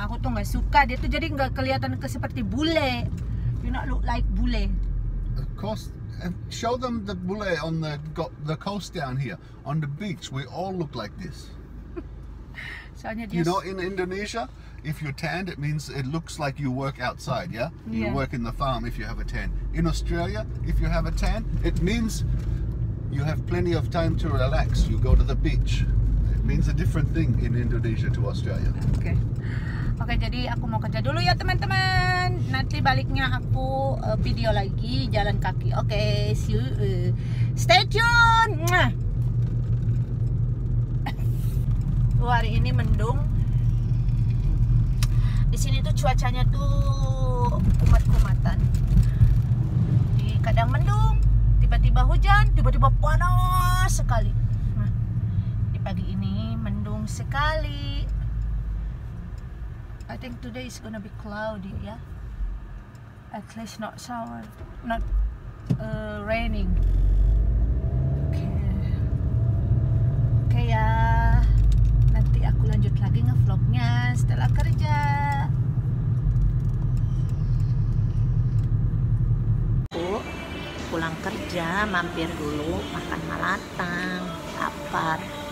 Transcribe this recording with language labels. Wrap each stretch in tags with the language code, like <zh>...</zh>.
<id>Aku tuh nggak suka dia tuh, jadi nggak kelihatan seperti bule.</id> <en>You not look like bule. Of course, show them the bule on the coast down here on the beach. We all look like this.</en> <id>Soalnya dia.</id> <en>You know, in Indonesia, if you're tanned, it means it looks like you work outside, yeah? Yeah. You work in the farm if you have a tan. In Australia, if you have a tan, it means you have plenty of time to relax. You go to the beach. It means a different thing in Indonesia to Australia.</en> <id>Okay. Jadi aku mau kerja dulu ya teman-teman. Nanti baliknya aku video lagi jalan kaki. Okay.</id> <en>See you. Stay tuned.</en> <id>Hari ini mendung. Di sini tuh cuacanya tuh kumat-kumatan. Di kadang mendung. Tiba-tiba hujan, tiba-tiba panas sekali. Di pagi ini mendung sekali.</id> <en>I think today is gonna be cloudy, ya. Yeah? At least not shower, not raining.</en> <id>Okay ya. Nanti aku lanjut lagi ngevlognya setelah kerja. Pulang kerja, mampir dulu makan malatang, lapar.</id>